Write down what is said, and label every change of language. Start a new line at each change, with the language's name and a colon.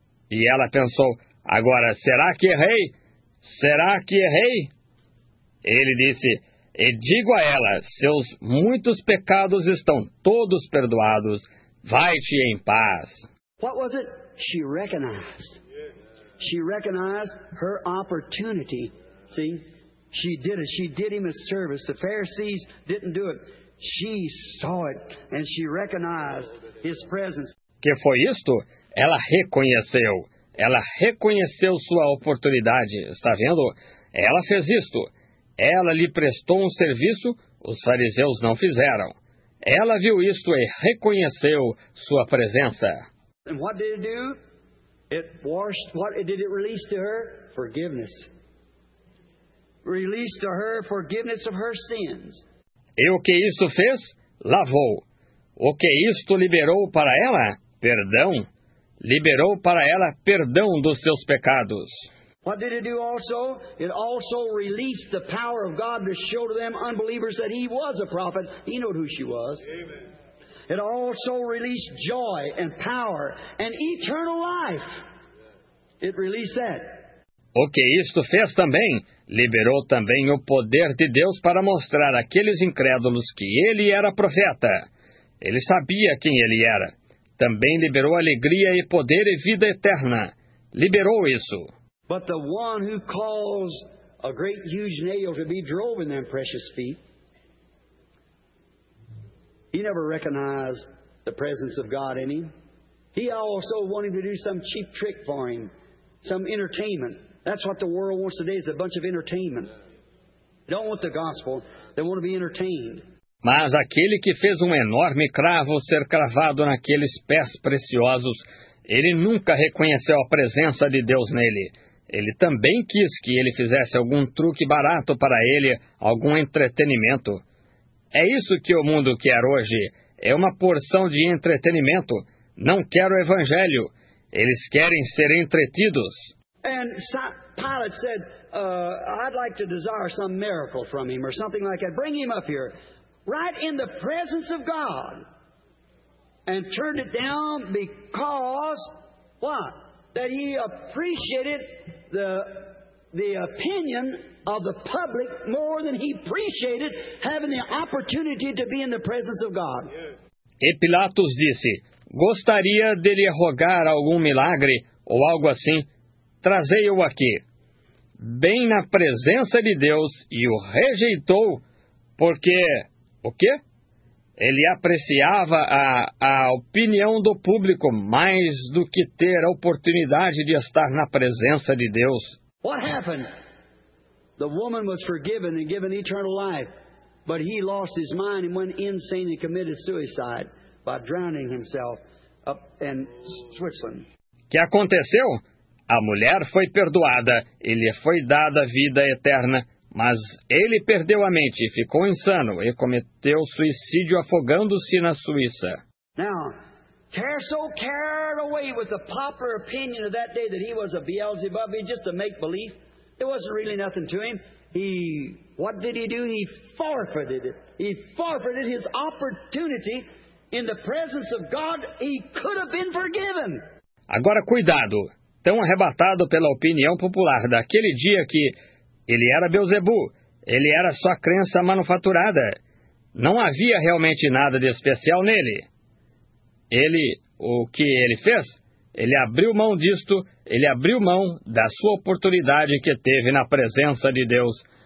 Portuguese: E ela pensou, agora, será que errei? Será que errei? Ele disse, e digo a ela, seus muitos pecados estão todos perdoados. Vai-te em paz.
English: What was it? She recognized. She recognized her opportunity. See, she did it. She did him a service. The Pharisees didn't do it. She saw it and she recognized his presence.
Portuguese: Que foi isto? Ela reconheceu. Ela reconheceu sua oportunidade. Está vendo? Ela fez isto. Ela lhe prestou um serviço. Os fariseus não fizeram. Ela viu isto e reconheceu sua presença.
English: And what did it do? It washed. What did it release to her? Forgiveness. Released to her forgiveness of her sins.
Portuguese: E o que isso fez? Lavou. O que isto liberou para ela? Perdão. Liberou para ela perdão dos seus pecados.
English: What did it do also? It also released the power of God to show to them unbelievers that he was a prophet. He knew who she was. Amen. It also released joy and power and eternal life. It released that.
Portuguese: O que isto fez também? Liberou também o poder de Deus para mostrar àqueles incrédulos que ele era profeta. Ele sabia quem ele era. Também liberou alegria e poder e vida eterna. Liberou isso.
English: But the one who calls a great huge nail to be drove in them precious feet. He never recognized the presence of God in him. He also wanted to do some cheap trick for him, some entertainment. That's what the world wants today, is a bunch of entertainment. They don't want the gospel. They want to be entertained.
Portuguese: Mas aquele que fez enorme cravo ser cravado naqueles pés preciosos, ele nunca reconheceu a presença de Deus nele. Ele também quis que ele fizesse algum truque barato para ele, algum entretenimento. É isso que o mundo quer hoje. É uma porção de entretenimento. Não quer o evangelho. Eles querem ser entretidos.
English: And Pilate said, I'd like to desire some miracle from him or something like that. Bring him up here. Right in the presence of God. And turned it down because, what? That he appreciated the opinion of the public more than he appreciated having the opportunity to be in the presence of God.
Portuguese: E Pilatos disse, gostaria de lhe rogar algum milagre ou algo assim, trazei-o aqui. Bem na presença de Deus e o rejeitou porque, o quê? Ele apreciava a opinião do público mais do que ter a oportunidade de estar na presença de Deus.
English: What happened? The woman was forgiven and given eternal life, but he lost his mind and went insane and committed suicide by drowning himself up in Switzerland.
Portuguese: Que aconteceu? A mulher foi perdoada e lhe foi dada vida eterna. Mas ele perdeu a mente, ficou insano e cometeu suicídio afogando-se na Suíça.
English: Now, so carried away with the popular opinion of that day that he was a Beelzebub, he just a make-believe. It wasn't really nothing to him. What did he do? He forfeited it. He forfeited his opportunity in the presence of God. He could have been forgiven.
Portuguese: Agora, cuidado. Tão arrebatado pela opinião popular daquele dia que ele era Beelzebu, ele era só crença manufaturada. Não havia realmente nada de especial nele. O que ele fez? Ele abriu mão disto, ele abriu mão da sua oportunidade que teve na presença de Deus.